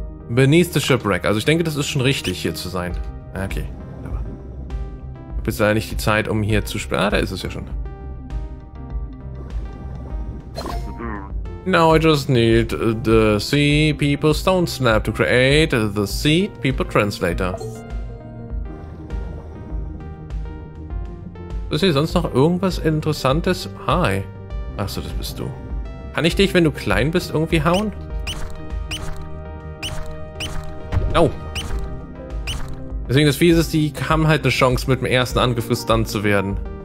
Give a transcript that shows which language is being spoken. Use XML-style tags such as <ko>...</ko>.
<de>Beneath the Shipwreck. Also ich denke, das ist schon richtig, hier zu sein. Okay. Aber ich habe jetzt leider nicht die Zeit, um hier zu spielen. Ah, da ist es ja schon.</de> <en>Now I just need the Sea People Stone Snap to create the Sea People Translator.</en> <de>Ist hier sonst noch irgendwas Interessantes? Hi. Achso, das bist du. Kann ich dich, wenn du klein bist, irgendwie hauen? Au. Deswegen das Fiese ist, die haben halt eine Chance, mit dem ersten Angriff gestunt zu werden.</de>